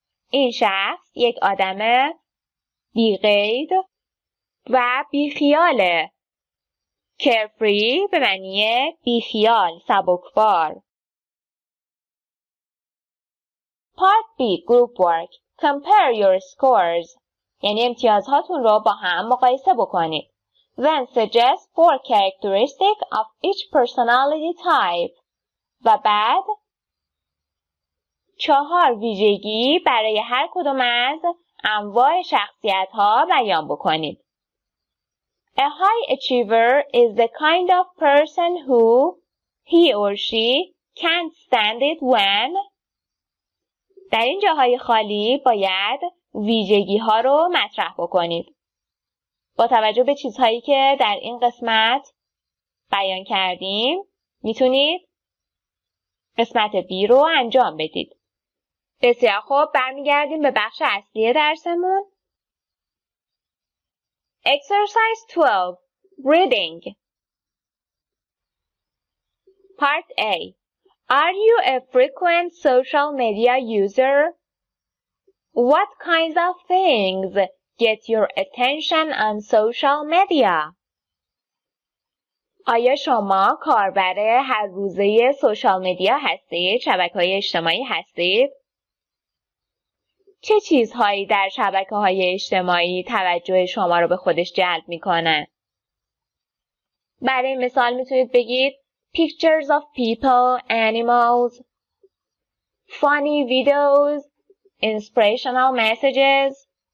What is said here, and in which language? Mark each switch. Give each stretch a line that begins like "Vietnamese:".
Persian: این شخص یک آدم بی‌قید و بی‌خیاله. Carefree به معنی بی‌خیال، سبکبار.
English: Part B, group work. Compare your scores.
Persian: یعنی امتیازهاتون رو با هم مقایسه بکنید.
English: Then suggest four characteristics of each personality type.
Persian: و بعد 4 ویژگی برای هر کدوم از انواع شخصیت ها بیان بکنید.
English: A high achiever is the kind of person who he or she can't stand it when.
Persian: در این جاهای خالی باید ویژگی ها رو مطرح بکنید. با توجه به چیزهایی که در این قسمت بیان کردیم، میتونید قسمت B رو انجام بدید. بسیار خوب، برمیگردیم به بخش اصلی درسمون.
English: Exercise 12. Reading. Part A. Are you a frequent social media user? What kinds of things get your attention on social media?
Persian: آیا شما کاربر هر روزه سوشال مدیا هستید؟ شبکه‌های اجتماعی هستید؟ چه چیزهایی در شبکه‌های اجتماعی توجه شما رو به خودش جلب می‌کنه؟ برای مثال میتونید بگید
English: pictures of people, animals, funny videos, inspirational messages.